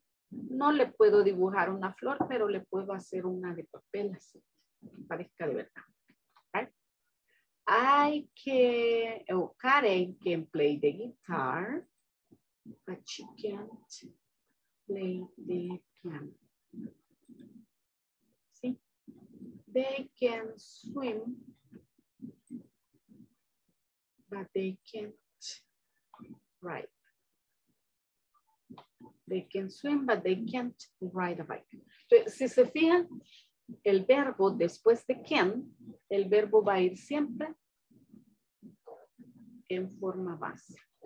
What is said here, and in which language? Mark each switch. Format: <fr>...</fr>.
<es>No le puedo dibujar una flor, pero le puedo hacer una de papel así, que parezca de verdad.</es> <en>Karen can play the guitar, but she can't play the piano. ¿Sí? They can swim, but they can't ride. They can swim, but they can't ride a bike.</en> <es>Entonces, si se fijan, el verbo después de can, el verbo va a ir siempre en forma base.</es>